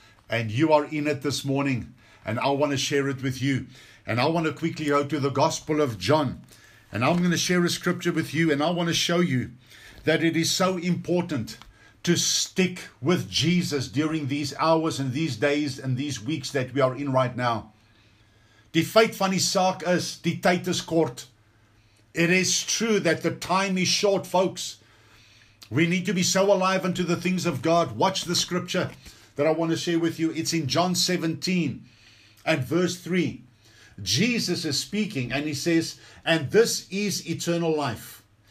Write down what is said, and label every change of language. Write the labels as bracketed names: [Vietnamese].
[English] And you are in it this morning, and I want to share it with you. And I want to quickly go to the Gospel of John, and I'm going to share a scripture with you, and I want to show you that it is so important to stick with Jesus during these hours and these days and these weeks that we are in right now. [Afrikaans] Die feit van die saak is, die tyd is kort. [English] It is true that the time is short, folks. We need to be so alive unto the things of God. Watch the scripture that I want to share with you. It's in John 17 and verse 3. Jesus is speaking and he says, and this is eternal life.